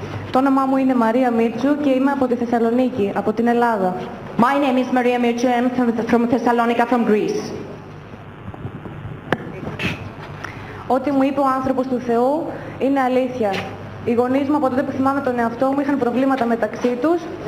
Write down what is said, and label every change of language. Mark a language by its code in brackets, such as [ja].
[el] Το όνομά μου είναι Μαρία Μίτσου και είμαι από τη Θεσσαλονίκη, από την Ελλάδα. [en] My name is Maria Mitsou and I'm from Thessalonica, from Greece. [el] Ό,τι μου είπε ο άνθρωπος του Θεού είναι αλήθεια. Οι γονείς μου από τότε που θυμάμαι τον εαυτό μου είχαν προβλήματα μεταξύ τους.